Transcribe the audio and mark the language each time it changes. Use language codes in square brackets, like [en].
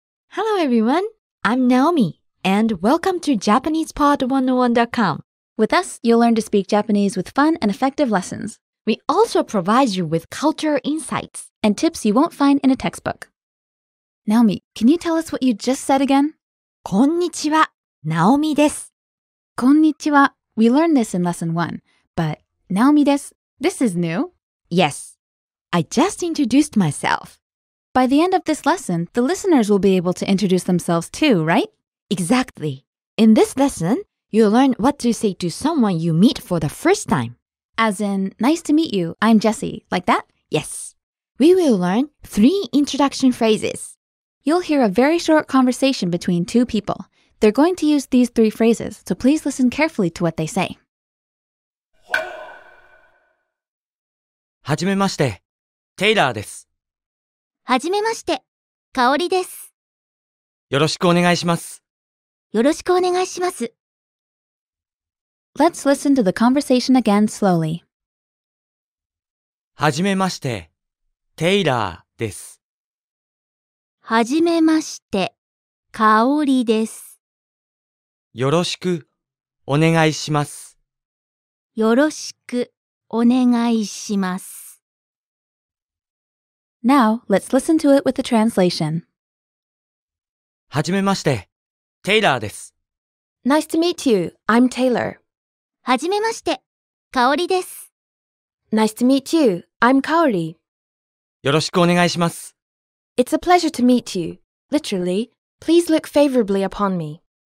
[en] Hello everyone, I'm Naomi, and welcome to JapanesePod101.com. With us, you'll learn to speak Japanese with fun and effective lessons. We also provide you with culture insights and tips you won't find in a textbook. Naomi, can you tell us what you just said again? [ja] こんにちは、ナオミです。こんにちは。 [en] We learned this in lesson one, but [ja] Naomi desu. [en] This is new. Yes, I just introduced myself. By the end of this lesson, the listeners will be able to introduce themselves too, right? Exactly. In this lesson, you'll learn what to say to someone you meet for the first time. As in, nice to meet you, I'm Jesse, like that? Yes. We will learn three introduction phrases. You'll hear a very short conversation between two people. They're going to use these three phrases, so please listen carefully to what they say. [ja] はじめまして、テイラーです。はじめまして、カオリです。よろしくお願いします。よろしくお願いします。 [en] Let's listen to the conversation again slowly. [ja] はじめまして、テイラーです。はじめまして、カオリです。よろしくお願いします。よろしくお願いします。 [en] Now, let's listen to it with the translation. [ja] はじめまして、テイラーです。 [en] Nice to meet you, I'm Taylor. [ja] はじめまして、カオリです。 [en] Nice to meet you, I'm Kaori. [ja] よろしくお願いします。 [en] It's a pleasure to meet you. Literally, please look favorably upon me.